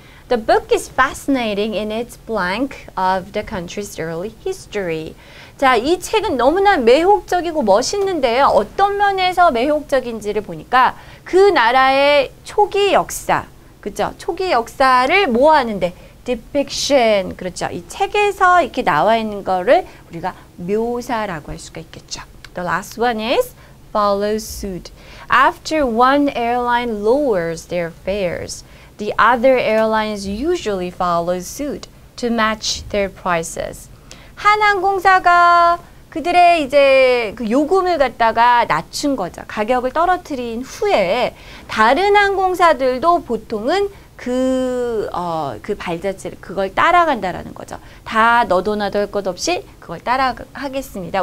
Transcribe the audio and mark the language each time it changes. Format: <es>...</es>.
<en>The book is fascinating in its blank of the country's early history.</en> <ko>자, 이 책은 너무나 매혹적이고 멋있는데요. 어떤 면에서 매혹적인지를 보니까 그 나라의 초기 역사, 그죠? 초기 역사를 모아하는데 depiction, 그렇죠. 이 책에서 이렇게 나와 있는 거를 우리가 묘사라고 할 수가 있겠죠.</ko> <en>The last one is follow suit. After one airline lowers their fares, the other airlines usually follow suit to match their prices.</en> <ko>한 항공사가 그들의 이제 그 요금을 갖다가 낮춘 거죠. 가격을 떨어뜨린 후에 다른 항공사들도 보통은 그 발자취를 그걸 따라간다라는 거죠. 다 너도 나도 할 것 없이 그걸 따라하겠습니다.</ko>